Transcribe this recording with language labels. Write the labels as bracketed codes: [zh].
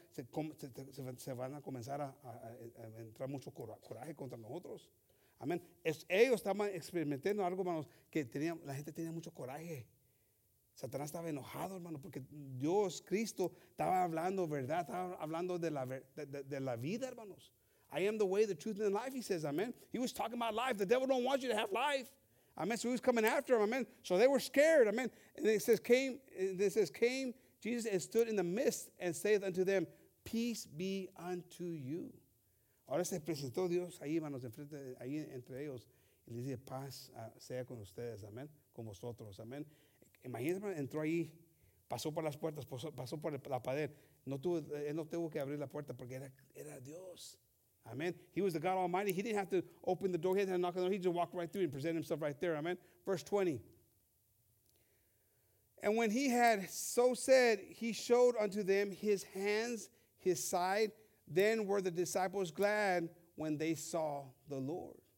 [es] Se van a comenzar a entrar mucho coraje contra nosotros. Amén. Ellos estaban experimentando algo, hermanos, que la gente tenía mucho coraje. Satanás estaba enojado, hermano, porque Dios, Cristo, estaba hablando verdad, estaba hablando de la vida, hermanos. [en] I am the way, the truth, and the life, he says, amen. He was talking about life. The devil don't want you to have life. Amen. So he was coming after him, amen. So they were scared, amen. And it says, came Jesus and stood in the midst and saith unto them, peace be unto you. [es] Ahora se presentó Dios ahí, hermanos, enfrente, ahí entre ellos. Y les dice, paz sea con ustedes, amen. Con vosotros, amen. Imagínense, hermano, entró ahí, pasó por las puertas, pasó por la pared. Él no tuvo que abrir la puerta porque era Dios. [en] Amen. He was the God Almighty. He didn't have to open the door. He didn't knock on the door. He just walked right through and presented himself right there. Amen. Verse 20. And when he had so said, he showed unto them his hands, his side. Then were the disciples glad when they saw the Lord.